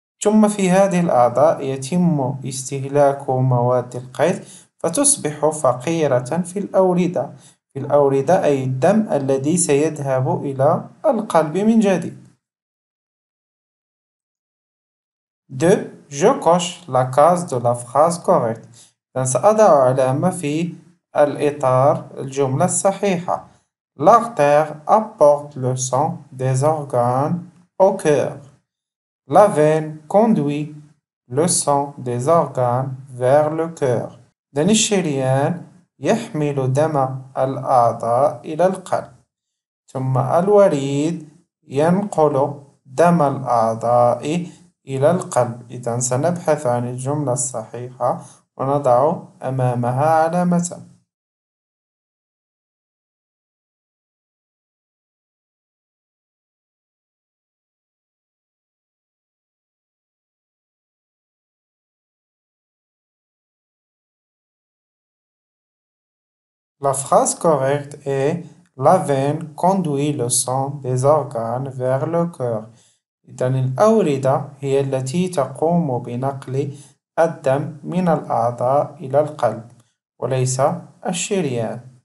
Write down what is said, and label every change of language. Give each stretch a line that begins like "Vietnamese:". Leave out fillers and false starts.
Arabic: ثم في هذه الأعضاء يتم استهلاك مواد القيت فتصبح فقيرة في الأوردة، أي الدم الذي سيذهب إلى القلب من جديد.
French: دو جو كوش لا كاز دو لا فراز كوريكت،
Arabic: سأضع علامة في الإطار الجملة الصحيحة.
French: L'artère apporte le sang des organes au cœur. La veine conduit le sang des organes vers le cœur.
Arabic: إذن الشريان يحمل دم الأعضاء إلى القلب، ثم الوريد ينقل دم الأعضاء إلى القلب. إذا سنبحث عن الجملة الصحيحة ونضع أمامها علامة.
French: La phrase correcte est la veine conduit le sang des organes vers le cœur.
Arabic: إذن الأوردة هي التي تقوم بنقل الدم من الأعضاء إلى القلب وليس الشريان.